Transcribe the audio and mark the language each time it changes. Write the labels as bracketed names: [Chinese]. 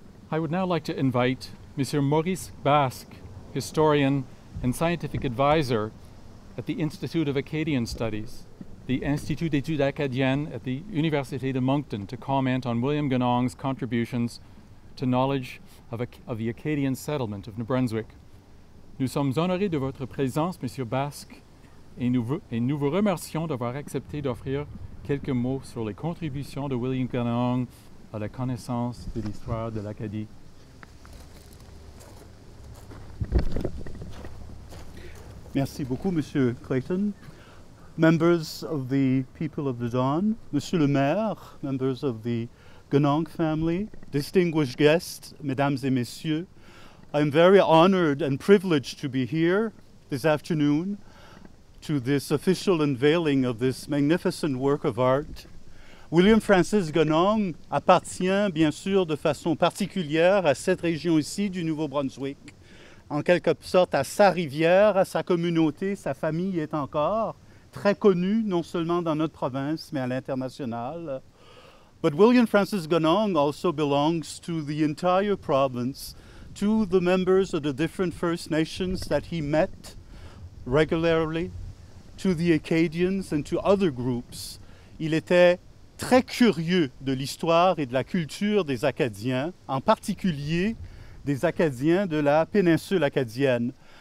[English] I would now like to invite Monsieur Maurice Basque, historian and scientific advisor at the Institute of Acadian Studies, the Institut d'études acadiennes at the Université de Moncton, to comment on William Ganong's contributions to knowledge of the Acadian settlement of New Brunswick. [French] Nous sommes honorés de votre présence, Monsieur Basque, et nous vous remercions d'avoir accepté d'offrir quelques mots sur les contributions de William Ganong à la connaissance de l'histoire de l'Acadie. Merci beaucoup, Monsieur Clayton. [English] Members of the people of the Don, [French] Monsieur le Maire, [English] members of the Ganong family, distinguished guests, [French] mesdames et messieurs, [English] I am very honored and privileged to be here this afternoon to this official unveiling of this magnificent work of art. [French] William Francis Ganong appartient bien sûr de façon particulière à cette région ici du Nouveau-Brunswick, en quelque sorte à sa rivière, à sa communauté, sa famille est encore très connu non seulement dans notre province mais à l'international. [English] But William Francis Ganong also belongs to the entire province, to the members of the different First Nations that he met regularly, to the Acadians and to other groups. [French] Il était très curieux de l'histoire et de la culture des Acadiens, en particulier des Acadiens de la péninsule acadienne.